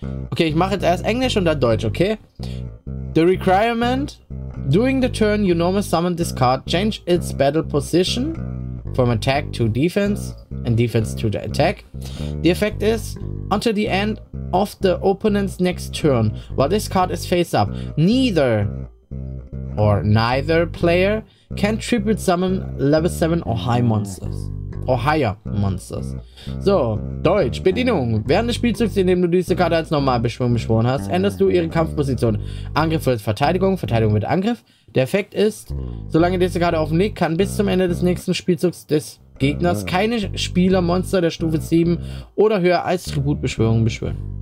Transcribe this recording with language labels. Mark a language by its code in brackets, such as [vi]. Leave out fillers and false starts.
[de] Okay, ich mache jetzt erst Englisch und dann Deutsch, okay? [en] The Requirement. During the turn, you normally summon this card. Change its battle position from attack to defense and defense to the attack. The effect is until the end of the opponent's next turn, while this card is face up, neither player can tribute summon level 7 or higher monsters. [de] So, Deutsch, Bedienung. Während des Spielzugs, in dem du diese Karte als normal beschworen hast, änderst du ihre Kampfposition. Angriff wird Verteidigung, Verteidigung wird Angriff. Der Effekt ist, solange diese Karte offen liegt, kann bis zum Ende des nächsten Spielzugs des Gegners keine Spielermonster der Stufe 7 oder höher als Tributbeschwörung beschwören.